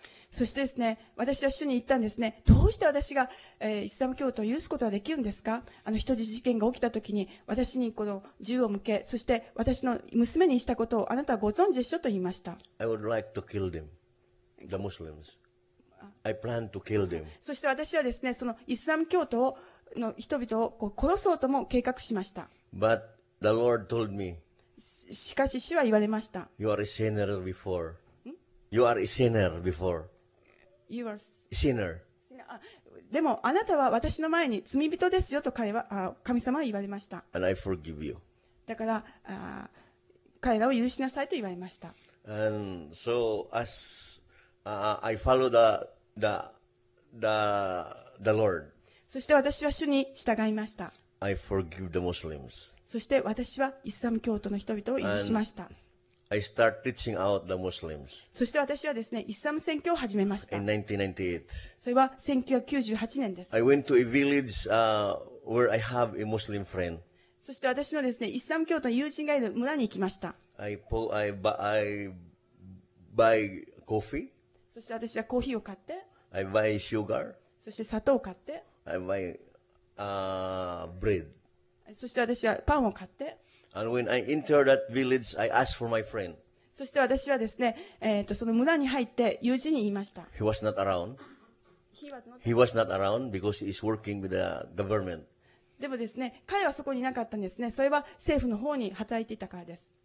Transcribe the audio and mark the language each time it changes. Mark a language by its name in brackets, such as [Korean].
[Japanese] そしてですね、私は主に言ったんですね。どうして私が、イスラム教徒を許すことができるんですか？人質事件が起きた時に私にこの銃を向け、そして私の娘にしたことをあなたはご存知でしょうと言いました。 [English] I would like to kill them, the Muslims. I plan to kill them. [Japanese] そして私はですね、そのイスラム教徒をの人々をこう殺そうとも計画しました。 [English] But the Lord told me, [Japanese] しかし主は言われました。 [English] You are a sinner before. You are a sinner before. You are a sinner. [Japanese] でもあなたは私の前に罪人ですよと彼は神様は言われました。 [English] And I forgive you. [Japanese] だから彼らを許しなさいと言われました。 [English] And so as I follow the Lord. [Japanese] そして私は主に従いました。 [English] I forgive the Muslims. [Japanese] そして私はイスラム教徒の人々を許しました。 [English] And I start teaching out the Muslims. [Japanese] そして私はですね、イスラム宣教を始めました。 [English] In 1998. [Japanese] それは1998年です。 [English] I went to a village, where I have a Muslim friend. [Japanese] そして私のですね、イスラム教徒の友人がいる村に行きました。 [English] I buy coffee. [Japanese] そして私はコーヒーを買って。 [English] I buy sugar. [Japanese] そして砂糖を買って。 [English] I buy bread. [Japanese] そして私はパンを買って。 [English] And when I enter that village, I ask for my friend. [Japanese] そして私はですね、その村に入って友人に言いました。 [English] He was not around. He was not around because he is working with the government. [Japanese] でもですね、彼はそこにいなかったんですね。それは政府の方に働いていたからです。